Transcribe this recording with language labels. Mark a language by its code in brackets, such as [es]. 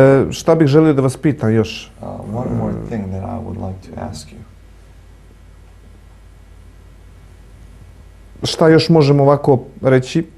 [bs] Šta bih želio da vas pitam još? [en] One more thing that I would like to ask you. [bs] Šta još možemo ovako reći?